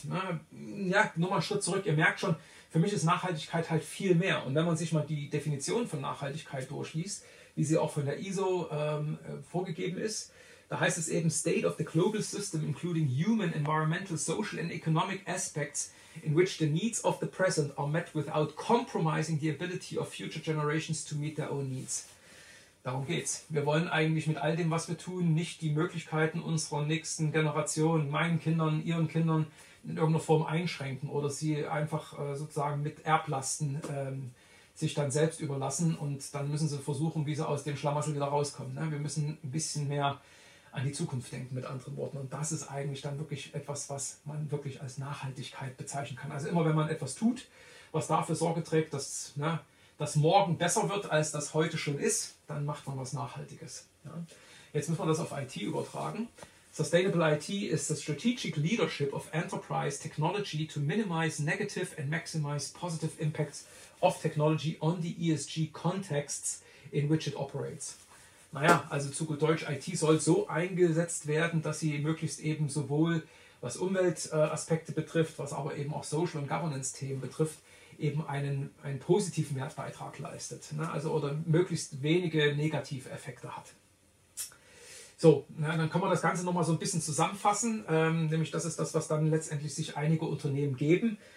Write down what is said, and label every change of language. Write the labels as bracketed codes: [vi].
[de] Na, ja, nur mal einen Schritt zurück. Ihr merkt schon, für mich ist Nachhaltigkeit halt viel mehr. Und wenn man sich mal die Definition von Nachhaltigkeit durchliest, wie sie auch von der ISO vorgegeben ist, da heißt es eben [en] State of the Global System, including human, environmental, social and economic aspects, in which the needs of the present are met without compromising the ability of future generations to meet their own needs. [de] Darum geht's. Wir wollen eigentlich mit all dem, was wir tun, nicht die Möglichkeiten unserer nächsten Generation, meinen Kindern, ihren Kindern, in irgendeiner Form einschränken oder sie einfach sozusagen mit Erblasten sich dann selbst überlassen und dann müssen sie versuchen, wie sie aus dem Schlamassel wieder rauskommen. Ne? Wir müssen ein bisschen mehr an die Zukunft denken, mit anderen Worten. Und das ist eigentlich dann wirklich etwas, was man wirklich als Nachhaltigkeit bezeichnen kann. Also immer, wenn man etwas tut, was dafür Sorge trägt, dass ne, das morgen besser wird, als das heute schon ist, dann macht man was Nachhaltiges. Ja? Jetzt müssen wir das auf IT übertragen. [en] Sustainable IT is the strategic leadership of enterprise technology to minimize negative and maximize positive impacts of technology on the ESG contexts in which it operates. [de] Naja, also zu gut Deutsch, IT soll so eingesetzt werden, dass sie möglichst eben sowohl was Umweltaspekte betrifft, was aber eben auch Social- und Governance-Themen betrifft, eben einen positiven Wertbeitrag leistet. Ne? Also oder möglichst wenige negative Effekte hat. So, na, dann kann man das Ganze nochmal so ein bisschen zusammenfassen, nämlich das ist das, was dann letztendlich sich einige Unternehmen geben.